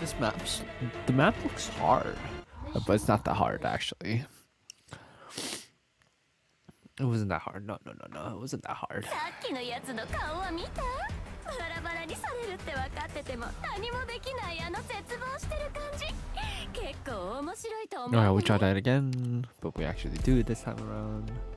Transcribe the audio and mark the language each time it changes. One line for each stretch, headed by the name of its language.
English: This map, the map looks hard, but it's not that hard actually. It wasn't that hard. No, it wasn't that hard.
Japanese: さっきのやつの顔は見た？バラバラにされるって分かってても何もできない、あの絶望してる感じ。結構面白いと思う。
English: Alright, we try that again, but we actually do it this time around.